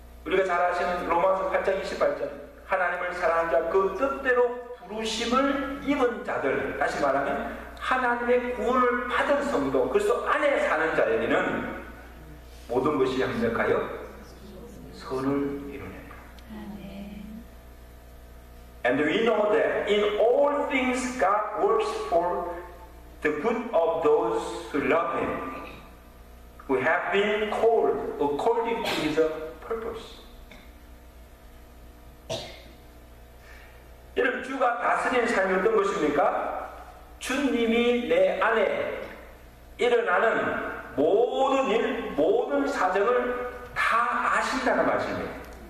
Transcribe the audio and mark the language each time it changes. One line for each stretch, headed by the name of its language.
Korean: 우리가 잘 아시는 로마서 8장 28절 하나님을 사랑한 자 그 뜻대로 부르심을 입은 자들, 다시 말하면 하나님의 구원을 받은 성도, 그래서 안에 사는 자에게는 모든 것이 합력하여 선을 이루는다. 아멘.
English: And we know that in all things God works for the good of those who love Him, who have been called according to His purpose.
Korean: 이런 주가 다스린 삶이 어떤 것입니까? 주님이 내 안에 일어나는 모든 일, 모든 사정을 다 아신다는 말씀이에요.